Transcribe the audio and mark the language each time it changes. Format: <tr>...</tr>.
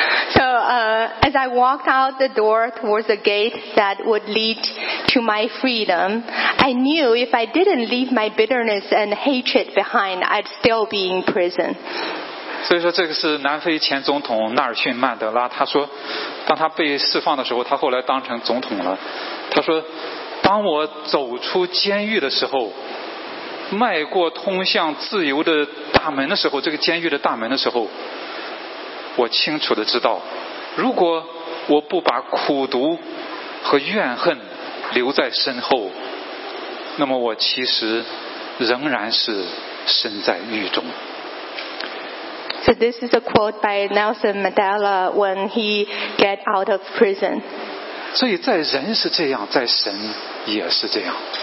<en>So, as I walked out the door towards the gate that would lead to my freedom, I knew if I didn't leave my bitterness and hatred behind, I'd still be in prison.</en> <zh>所以说这个是南非前总统纳尔逊曼德拉，他说当他被释放的时候，他后来当成总统了，他说当我走出监狱的时候，迈过通向自由的大门的时候，这个监狱的大门的时候，我清楚地知道，如果我不把苦毒和怨恨留在身后，那么我其实仍然是身在狱中。</zh> <en>So this is a quote by Nelson Mandela when he get out of prison.</en> <zh>所以在人是这样，在神也是这样。</zh>